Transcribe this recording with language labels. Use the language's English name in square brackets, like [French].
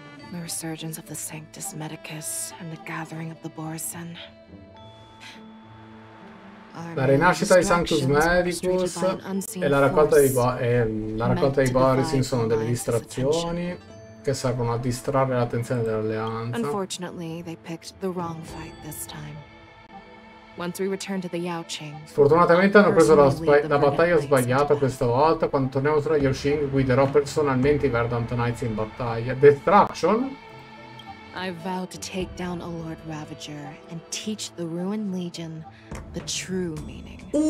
[English] The resurgence of the Sanctus Medicus and the gathering of the Borisen. [Italian] La rinascita di Sanctus Medicus e la raccolta dei Borisen sono delle distrazioni che servono a distrarre l'attenzione dell'alleanza. [English] Unfortunately, they picked the wrong fight this time. Once we return to the Yaoqing. [Italian] Fortunatamente hanno preso la battaglia sbagliata questa volta. Quando torniamo sulla Yaoqing, guiderò personalmente i Verdant Knights in battaglia. [English] Destruction? I vow to take down a Lord Ravager and teach the ruined legion the true meaning.